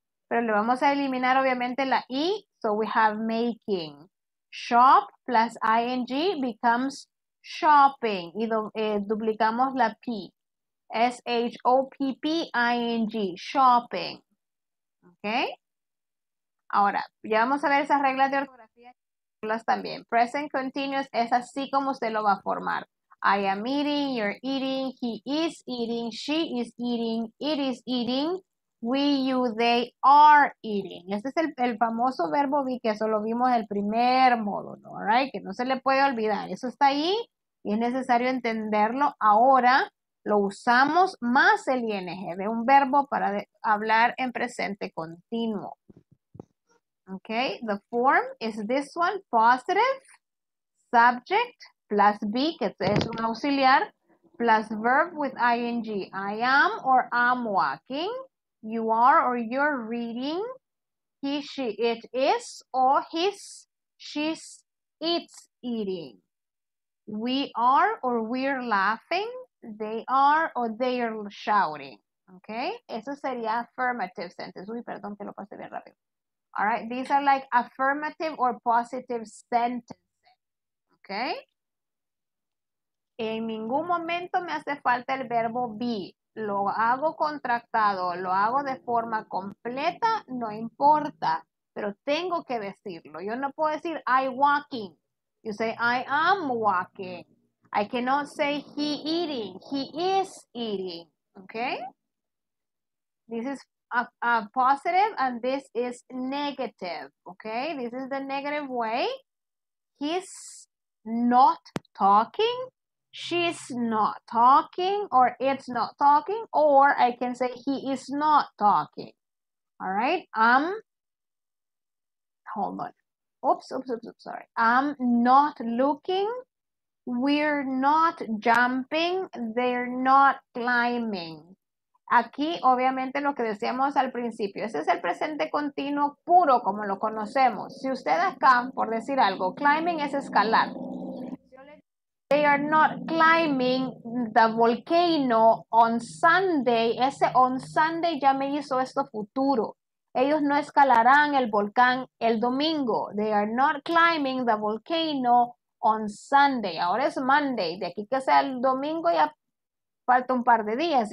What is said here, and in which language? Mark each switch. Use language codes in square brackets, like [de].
[es] Pero le vamos a eliminar obviamente la e, [en] so we have making. Shop plus ing becomes shopping. [es] Y duplicamos la P. S-H-O-P-P-I-N-G. Shopping. ¿Ok? Ahora, ya vamos a ver esas reglas de ortografía. Las también. Present continuous es así como usted lo va a formar. [en] I am eating, you're eating, he is eating, she is eating, it is eating, we, you, they are eating. [es] Este es el famoso verbo be, que eso lo vimos el primer módulo, right? Que no se le puede olvidar. Eso está ahí y es necesario entenderlo. Ahora lo usamos más el ing de un verbo para hablar en presente continuo. [en] Okay, the form is this one, positive, subject, plus be, [es] que es un auxiliar, [en] plus verb with ing, I am or am walking, you are or you're reading, he, she, it is, or his, she's, it's eating, we are or we're laughing, they are or they're shouting, okay? [es] Eso sería affirmative sentence. Uy, perdón que lo pasé bien rápido. [en] All right, these are like affirmative or positive sentences, okay? [es] En ningún momento me hace falta el verbo be. Lo hago contractado, lo hago de forma completa, no importa, pero tengo que decirlo. Yo no puedo decir [en] I walking. You say I am walking. I cannot say he eating. He is eating, okay? This is a positive and this is negative, okay? This is the negative way. He's not talking. She's not talking, or it's not talking, or I can say he is not talking. All right, I'm not looking, we're not jumping, they're not climbing. [es] Aquí, obviamente, lo que decíamos al principio, ese es el presente continuo puro, como lo conocemos. Si usted acá, por decir algo, climbing es escalar. [en] They are not climbing the volcano on Sunday. [es] Ese [en] on Sunday [es] ya me hizo esto futuro. Ellos no escalarán el volcán el domingo. [en] They are not climbing the volcano on Sunday. [es] Ahora es Monday. De aquí que sea el domingo ya falta un par de días.